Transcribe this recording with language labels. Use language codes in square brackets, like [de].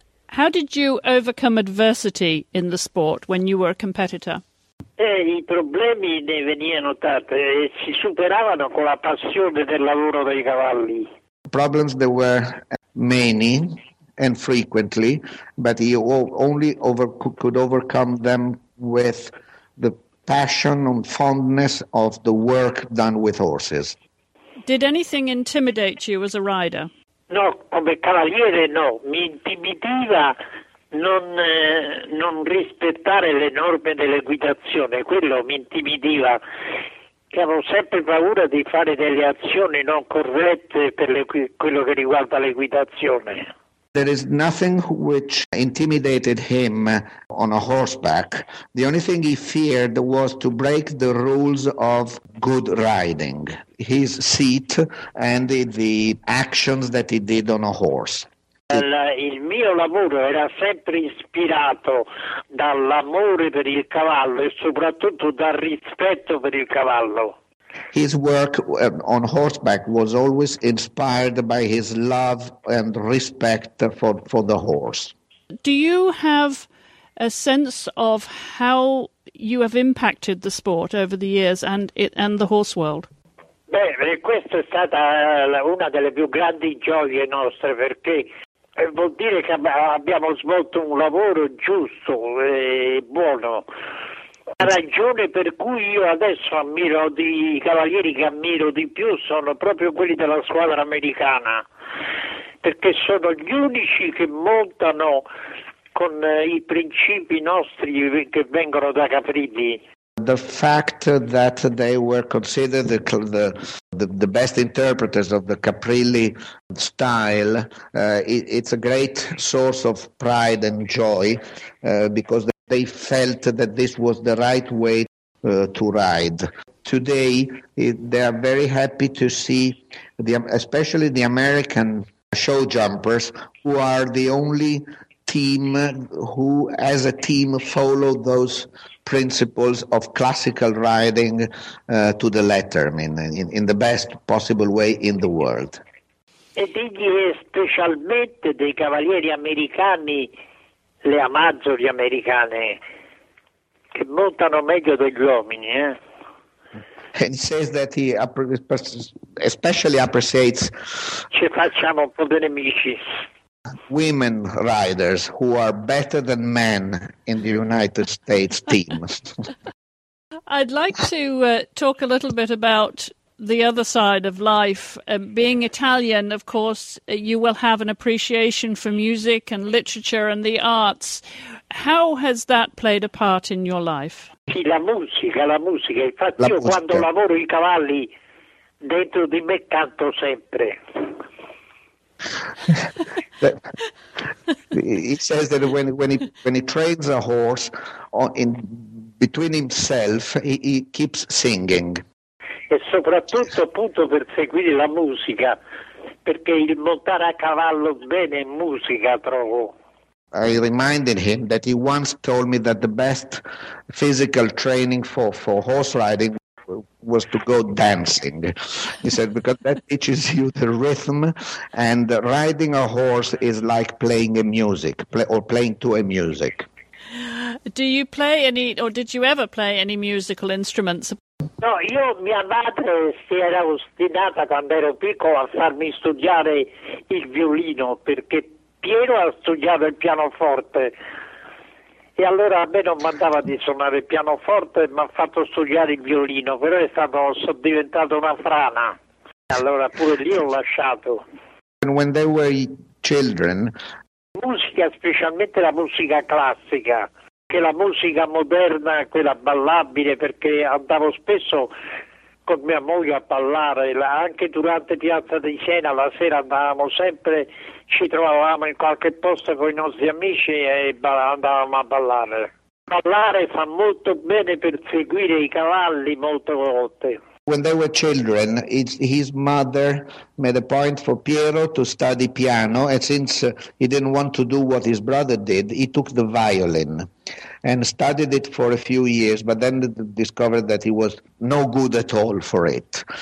[en] How did you overcome adversity in the sport when you were a competitor? [it] I problemi ne venivano tanti e si superavano con la passione del lavoro dei cavalli. [en] Problems there were many and frequently, but he only could overcome them with the passion and fondness of the work done with horses. Did anything intimidate you as a rider? [it] No, come cavaliere no, mi intimidiva non rispettare le norme dell'equitazione, quello mi intimidiva, che avevo sempre paura di fare delle azioni non corrette per quello che riguarda l'equitazione. [en] There is nothing which intimidated him on a horseback. The only thing he feared was to break the rules of good riding, his seat and the actions that he did on a horse. [it] Il mio lavoro era sempre ispirato dall'amore per il cavallo e soprattutto dal rispetto per il cavallo. [en] His work on horseback was always inspired by his love and respect for the horse. Do you have a sense of how you have impacted the sport over the years and the horse world? [it] Beh, questa è stata una delle più grandi gioie nostre perché vuol dire che abbiamo svolto un lavoro giusto e buono. La ragione per cui io adesso ammiro i cavalieri che ammiro di più sono proprio quelli della squadra americana, perché sono gli unici che montano con i principi nostri che vengono da Capridi. [en] The fact that they were considered the best interpreters of the Caprilli style, it's a great source of pride and joy because they felt that this was the right way to ride. Today, they are very happy to see, especially the American show jumpers, who are the only team who, as a team, follow those principles of classical riding to the letter, I mean, in the best possible way in the world. [it] E digli specialmente dei cavalieri americani, le amazzoni americane, che montano meglio degli uomini, eh? [en] And he says that he especially appreciates... [it] Ci facciamo un po' di nemici. [en] Women riders who are better than men in the United States teams. I'd like to talk a little bit about the other side of life. Being Italian, of course, you will have an appreciation for music and literature and the arts. How has that played a part in your life? [it] Sì, la musica. Infatti, io quando lavoro i cavalli, dentro di me canto sempre. [en] He says that when he trains a horse, in between himself, he keeps singing. [it] E soprattutto appunto per seguire la musica, perché il montare a cavallo bene è musica, trovo. [en] I reminded him that he once told me that the best physical training for horse riding was to go dancing. He said, because that teaches you the rhythm, and riding a horse is like playing a music, or playing to a music. Do you play any, or did you ever play any musical instruments? [it] No, io mia madre si era ostinata quando ero piccolo a farmi studiare il violino, perché Piero ha studiato il pianoforte. E allora a me non mandava di suonare il pianoforte, mi ha fatto studiare il violino, però è stato, sono diventato una frana. Allora pure lì ho lasciato. [en] And when they were children, [it] musica, specialmente la musica classica, che la musica moderna, quella ballabile, perché andavo spesso con mia moglie a ballare, anche durante Piazza di Siena, la sera andavamo sempre, ci trovavamo in qualche posto con i nostri amici e andavamo a ballare. Ballare fa molto bene per seguire i cavalli molte volte. [en] When they were children, his mother made a point for Piero to study piano, and since he didn't want to do what his brother did, he took the violin and studied it for a few years, but then discovered that he was no good at all for it.